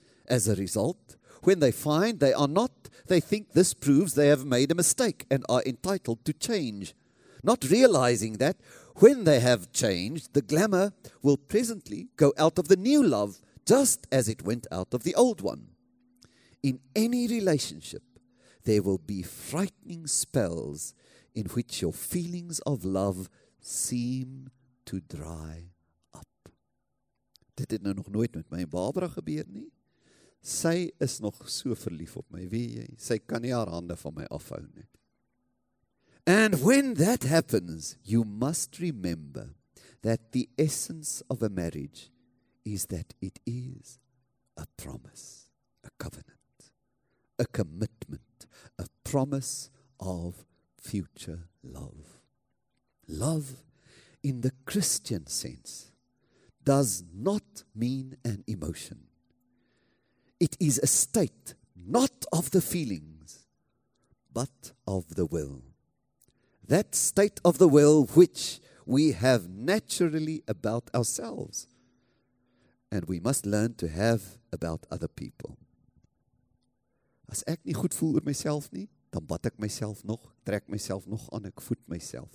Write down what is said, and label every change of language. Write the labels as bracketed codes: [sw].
[en] As a result, when they find they are not, they think this proves they have made a mistake and are entitled to change, not realizing that when they have changed, the glamour will presently go out of the new love just as it went out of the old one. In any relationship, there will be frightening spells in which your feelings of love seem to dry up. [af] Dit het nou nog nooit met my en Barbara gebeur nie. Sy is nog so verlief op my, weet jy. Sy kan nie haar hande van my afhou nie. [en] And when that happens, you must remember that the essence of a marriage is that it is a promise, a covenant, a commitment. A promise of future love. Love, in the Christian sense, does not mean an emotion. It is a state, not of the feelings, but of the will. That state of the will which we have naturally about ourselves, and we must learn to have about other people. [af] As ek nie goed voel oor myself nie, dan bad ek myself nog, trek myself nog aan, ek voed myself.